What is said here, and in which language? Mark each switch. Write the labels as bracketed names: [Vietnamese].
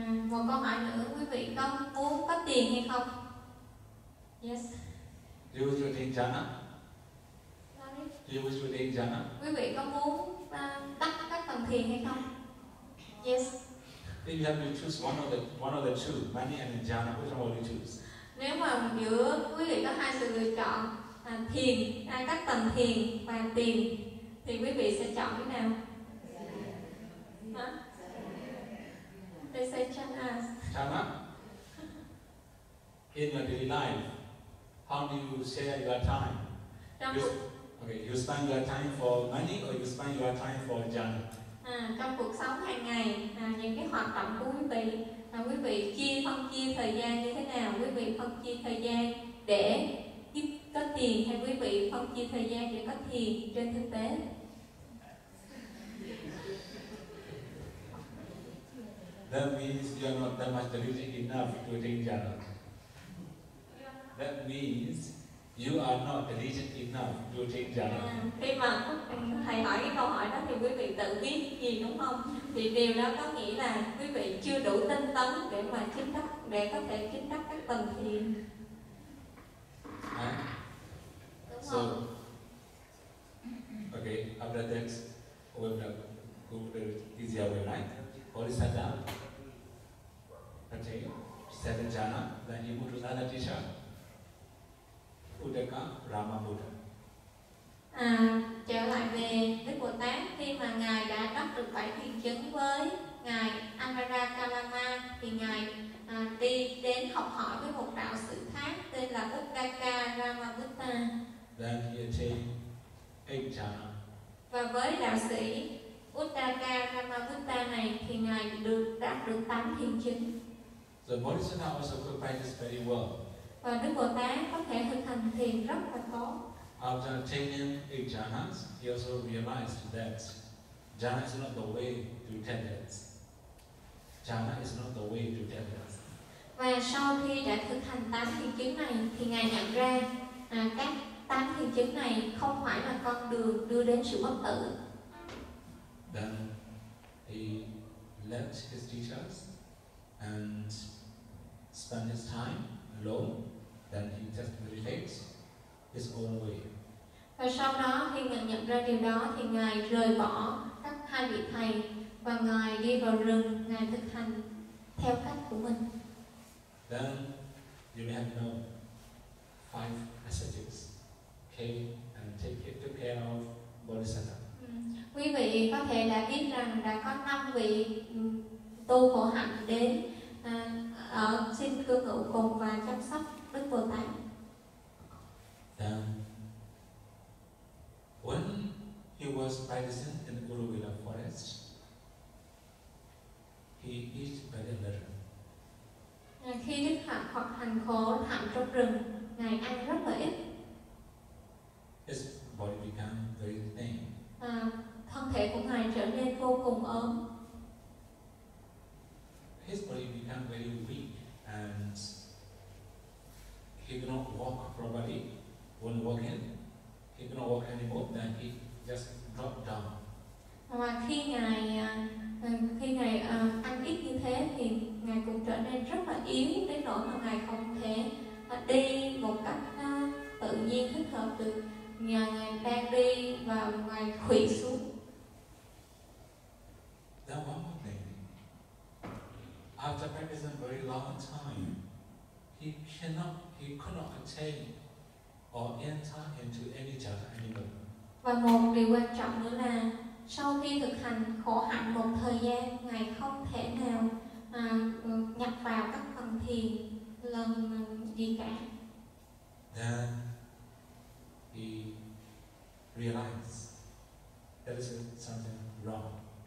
[Vietnamese] Một câu hỏi nữa, quý vị có muốn có tiền hay không? [English] Yes. Do you wish to attain jhana? Do you wish to attain jhana? [Vietnamese] Quý vị có muốn đắc các tầng thiền hay không? [English] Yes. Then you have to choose one of the two, money and jhana. Which one will you choose? [Vietnamese] Nếu mà giữa quý vị có hai sự lựa chọn thiền, các tầng thiền và tiền, thì quý vị sẽ chọn cái nào? [English] They say jhana. In your daily life, how do you share your time? You spend your time for money or you spend your time for junk? [Vietnamese] Trong cuộc sống hàng ngày, những cái hoạt động của quý vị chia phân chia thời gian như thế nào? Quý vị phân chia thời gian để kiếm có tiền hay quý vị phân chia thời gian để có tiền trên thực tế? [English] That means you are not that much diligent enough to attain jhana. That means you are not diligent enough to attain jhana. [Vietnamese] Khi mà thầy hỏi cái câu hỏi đó thì quý vị tự biết gì đúng không? Thì điều đó có nghĩa là quý vị chưa đủ tinh tấn để mà chứng đắc, để có thể chứng đắc các tầng thiền. [English] So, okay, after that, we will go to the easier way, right? Bodhisattva, attain seven jhana, then you go to another disha. Udaka, Rama Buddha. [Vietnamese] Trở lại về Đức Bồ Tát, khi mà Ngài đã đắc được bảy thiền chứng với Ngài Anuradha-kalama thì Ngài đi đến học hỏi với một đạo sư khác tên là Udaka Rama Buddha. [English] Then he attained eight jhana. [Vietnamese] Và với đạo sĩ Udaka Rama Buddha này thì Ngài được đạt được tám thiền chứng. [English] The Bodhisattva also could practice very well. [Vietnamese] Và Đức Bồ Tát có thể thực hành thiền rất là tốt. [English] After attaining eight jhanas, he also realized that jhana is not the way to deadness. Jhana is not the way to deadness. [Vietnamese] Và sau khi đã thực hành tám thiền chứng này, thì Ngài nhận ra các tám thiền chứng này không phải là con đường đưa đến sự bất tử. [English] Then he left his teachers and spent his time alone. Then he just meditates his own way. [Vietnamese] Và sau đó khi Ngài nhận ra điều đó thì Ngài rời bỏ các hai vị thầy và Ngài đi vào rừng, Ngài thực hành theo cách của mình. [English] Then you may have known five ascetics came and took care of Bodhisattva. [Vietnamese] Quý vị có thể đã biết rằng đã có năm vị tu khổ hạnh đến ở xin cư ngụ cùng và chăm sóc Đức Bồ Tát. [English] Then when he was practicing in Uruvela forest, he eats very little. [Vietnamese] Khi Đức Phật hoặc hành khổ hạnh trong rừng, Ngài ăn rất là ít. [English] His body became very thin. [Vietnamese] Thân thể của Ngài trở nên vô cùng ốm. [English] His body became very weak and he could not walk properly. When walking, he could not walk anymore, then he just dropped down. [Vietnamese] Và khi ngài ăn ít như thế thì Ngài cũng trở nên rất là yếu đến nỗi mà Ngài không thể đi một cách tự nhiên thích hợp được. Ngài đang đi và Ngài khuỵu xuống. [English] Then one more thing. After practicing a very long time, he could not attain or enter into any jhana anymore. [Vietnamese] Và một điều quan trọng nữa là sau khi thực hành khổ hạnh một thời gian, Ngài không thể nào nhập vào các tầng thiền lần gì cả. [English] Then he realized there is something wrong.